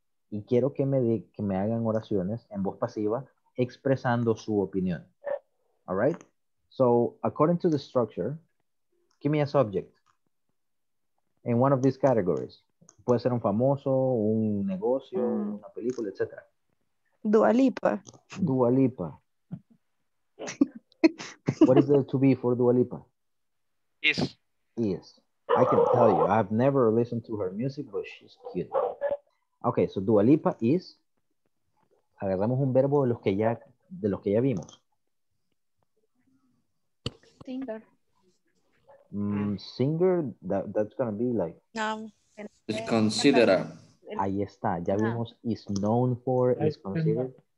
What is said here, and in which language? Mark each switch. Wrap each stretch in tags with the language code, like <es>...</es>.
<es>Y quiero que me hagan oraciones en voz pasiva expresando su opinión.</es> <en>All right? So, according to the structure, give me a subject in one of these categories.</en> <es>Puede ser un famoso, un negocio, una película, etc. Dua Lipa. Dua Lipa.</es> <en>What is there to be for Dua Lipa? Yes. Yes. I can tell you, I've never listened to her music, but she's cute. Okay, so Dua Lipa is?</en> <es>agarramos un verbo de los que ya vimos.</es> <en>Singer. Singer, that's gonna be like. No. It's considered.</en> <es>Ahí está, ya vimos</es> <en>is known for, is considered.</en>